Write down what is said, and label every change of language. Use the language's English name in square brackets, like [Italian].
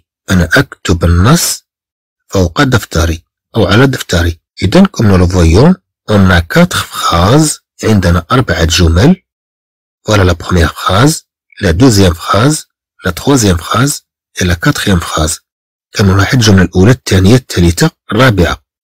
[Arabic] أنا أكتب النص فوق دفتري أو على دفتري. [French] إذن كما لو فويون، on a quatre phrases. [Arabic] عندنا أربعة جمل. [French] Voilà la première phrase, la deuxième phrase, la troisième phrase et la quatrième phrase. [Arabic] كما نلاحظ الجملة الأولى، الثانية، الثالثة، الرابعة.